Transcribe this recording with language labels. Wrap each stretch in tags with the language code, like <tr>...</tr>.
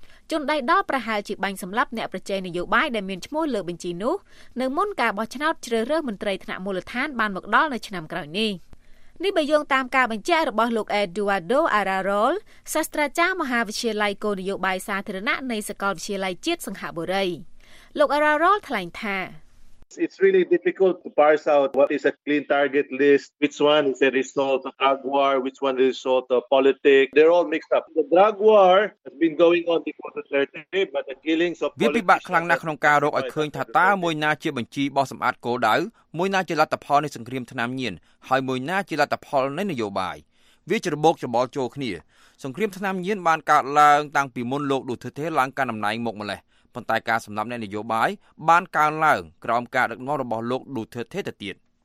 <km>ជនដៃដល់ប្រហែលជាបាញ់សម្លាប់អ្នកប្រជែងនយោបាយដែលមានឈ្មោះលើបញ្ជីនោះនៅមុនការបោះឆ្នោតជ្រើសរើសមន្ត្រីថ្នាក់មូលដ្ឋានបានមកដល់នៅឆ្នាំក្រោយនេះនេះបើយោងតាមការបញ្ជាក់របស់លោក Eduardo Ararol សាស្ត្រាចារ្យមហាវិទ្យាល័យគោលនយោបាយសាធារណៈនៃសាកលវិទ្យាល័យជាតិសង្ហបុរីលោក Ararol ថ្លែងថា</km> <en>It's really difficult to parse out what is a clean target list, which one is a result of drug war, which one is a result of politics. They're all mixed up. The drug war has been going on for 30 years, but the killings of politicians...</en> <km>វាពិបាកខ្លាំងណាស់ក្នុងការរកឲ្យឃើញថាតើមួយណាជាបញ្ជីបោះសម្អាតគោលដៅមួយណាជាលទ្ធផលនៃសង្គ្រាមថ្នាំញៀនហើយមួយណាជាលទ្ធផលនៃនយោបាយវាច្របូកច្របល់ចូលគ្នាសង្គ្រាមថ្នាំញៀនបានកើតឡើងតាំងពីមុនលោកឌូធើធេឡើងកាន់តំណែងមកម្ល៉េះប៉ុន្តែការសម្ដែងអ្នកនយោបាយបានកើនឡើងក្រោមការដឹកនាំរបស់លោកឌូធើធេទៅទៀត</km>